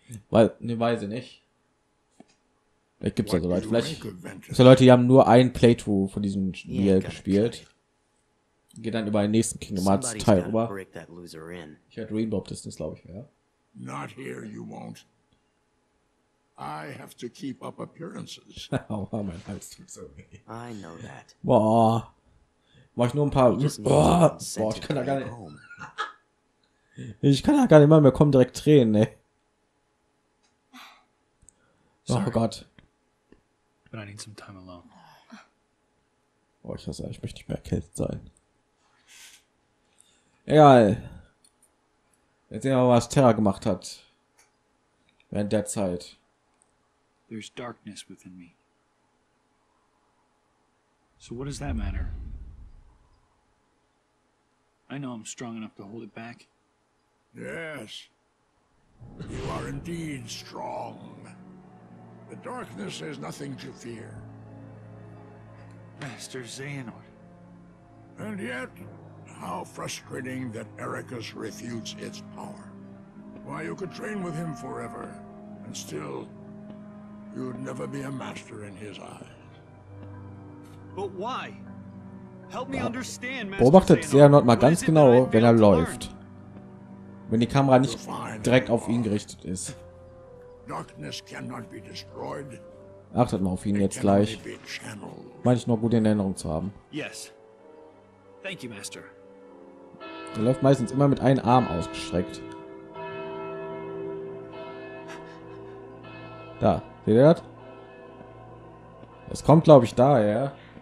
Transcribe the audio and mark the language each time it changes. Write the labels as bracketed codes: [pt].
[de] Weil, ne, weiß ich nicht. Vielleicht gibt's ja so Leute. Vielleicht gibt's ja Leute, die haben nur ein Playthrough von diesem Spiel gespielt. Geh dann über den nächsten Kingdom Hearts Teil rüber. Ich hätte Rainbow Distance, glaube ich, ja. [en] Not here, you won't. I have to keep up appearances. [de] Oh, mein Hals tut so weh. [en] I know that. [de] Boah. Mach ich nur ein paar. Boah, ich kann da gar nicht. Ich kann da gar nicht mal mehr kommen, direkt Tränen, ne? Sorry. Oh Gott. [en] But I need some time alone. [de] Oh, ich hasse, ich möchte nicht mehr erkältet sein. Egal. Jetzt sehen wir mal, was Terra gemacht hat. Während der Zeit. [en] There's darkness within me. So what does that matter? I know I'm strong enough to hold it back. Yes. You are indeed strong. The darkness has nothing to fear. Master Xehanort. And yet, how frustrating that Ericus refutes its power. Why, you could train with him forever, and still, you'd never be a master in his eyes. But why? Help me understand, Master. [de] Beobachtet Xehanort mal ganz genau, wenn er läuft. Wenn die Kamera nicht direkt auf ihn gerichtet ist. [en] Darkness cannot be destroyed. [de] Achtet mal auf ihn jetzt gleich. Meine ich nur gute Erinnerung zu haben. [en] Yes. Thank you, Master. [de] Er läuft meistens immer mit einem Arm ausgestreckt. Da, seht ihr das? Es kommt, glaube ich, daher.